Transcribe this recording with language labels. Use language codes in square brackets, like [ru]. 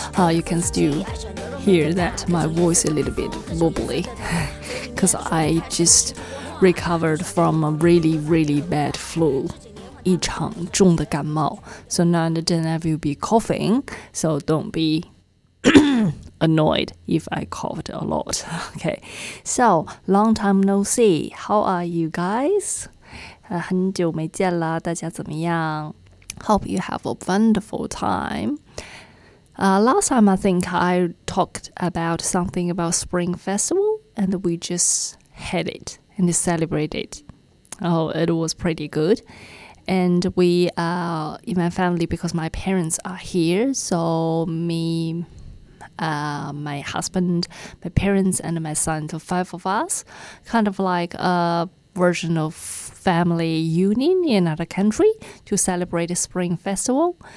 [en] You can still hear that my voice a little bit wobbly because I just recovered from a really, really bad flu. [zh] 一场重的感冒. [en] So now and then I will be coughing, so don't be annoyed if I coughed a lot. Okay, so long time no see. How are you guys? [zh] 很久没见了，大家怎么样？ [en] Hope you have a wonderful time. Last time, I think I talked about something about Spring Festival, and we just had it and celebrated it. Oh, it was pretty good. And we, in my family, because my parents are here, so me, my husband, my parents, and my son, so five of us, kind of like a version of family union in another country to celebrate a spring festival.